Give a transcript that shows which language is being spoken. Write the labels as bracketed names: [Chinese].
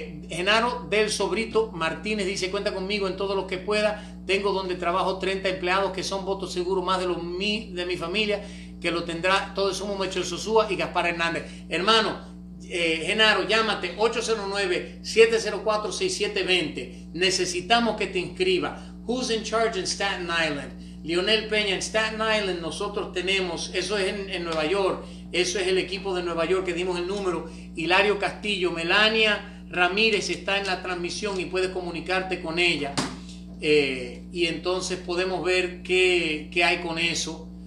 [Spanish] Genaro del Sobrito Martínez dice, cuenta conmigo en todo lo que pueda. Tengo donde trabajo 30 empleados que son votos seguros, más de los de mi familia, que lo tendrá todo eso, Mecho Sosúa y Gaspar Hernández. Hermano, Genaro, llámate 809-704-6720. Necesitamos que te inscriba. [English] Who's in charge in Staten Island? [Spanish] Lionel Peña, en Staten Island nosotros tenemos, eso es en Nueva York, eso es el equipo de Nueva York que dimos el número. Hilario Castillo, Melania Ramírez está en la transmisión y puedes comunicarte con ella. Y entonces podemos ver qué hay con eso.